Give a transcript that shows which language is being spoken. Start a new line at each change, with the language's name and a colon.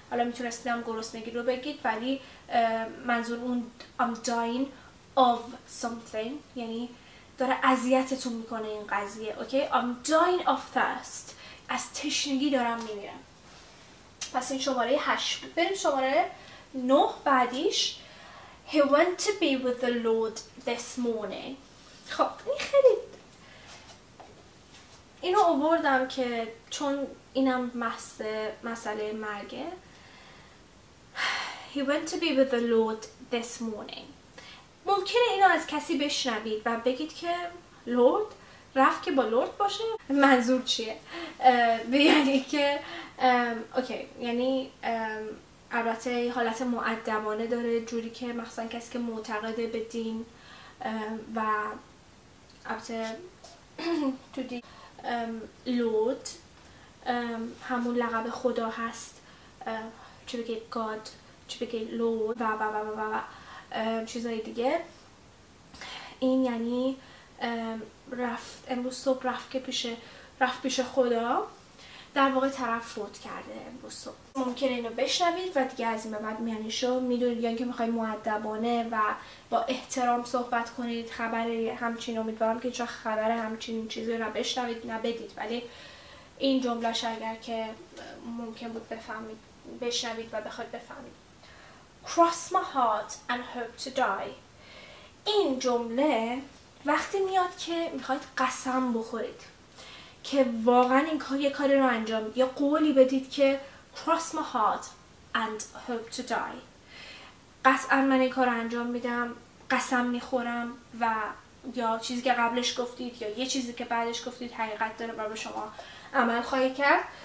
Persian: حالا میتونستم گرسنگی رو بگید ولی منظور اون
English: I'm dying of something
Persian: یعنی داره اذیتتون میکنه این قضیه. اوکی؟
English: I'm dying of thirst
Persian: از تشنگی دارم میمیرم. پس این شماره 8. بریم شماره 9 بعدیش.
English: He went to be with the Lord this morning.
Persian: خب این خیلی اینو آوردم که چون اینم بحث مسئله مرگه.
English: He went to be with the Lord this morning.
Persian: ممکنه اینو از کسی بشنوید و بگید که لورد رفت که با لورد باشه منظور چیه؟ یعنی که اوکی یعنی البته حالت مؤدبانه داره جوری که مثلا کسی که معتقده به دین و البته تو دین لورد همون لقب خدا هست. چی بگه گاد چی بگه لورد و و و و و چیزای دیگه. این یعنی رفت امروز صبح رفت پیش خدا. در واقع طرف فوت کرده امروز صبح. ممکنه اینو بشنوید و دیگه از این به بعد معنیشو میدونید. یعنی که میخوای مؤدبانه و با احترام صحبت کنید خبر همچین. امیدوارم که چه خبر همچین چیزی رو بشنوید نبدید. ولی این جملهش اگر که ممکن بود بفهمید بشنوید و بخواید بفهمید.
English: Cross my heart and hope to die.
Persian: این جمله وقتی میاد که میخواید قسم بخورید که واقعا این کار یه کاری رو انجام یا قولی بدید که
English: cross my heart and hope to die.
Persian: قطعا من این کار رو انجام میدم، قسم میخورم و یا چیزی که قبلش گفتید یا یه چیزی که بعدش گفتید حقیقت داره و به شما عمل خواهی کرد.